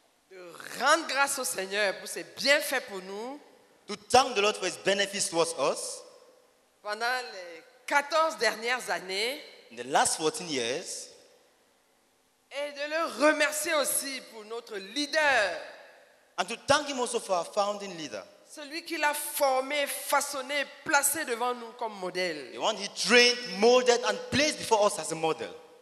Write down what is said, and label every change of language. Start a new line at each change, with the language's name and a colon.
French: De rendre grâce au Seigneur pour ses bienfaits pour nous.
English: To thank the Lord for his benefits towards us.
French: Pendant les 14 dernières années.
English: In the last 14 years.
French: Et de le remercier aussi pour notre leader.
English: And to thank him also for our founding leader.
French: Celui qui l'a formé, façonné, placé devant nous comme modèle.
English: The one he trained, molded and placed before us as a model.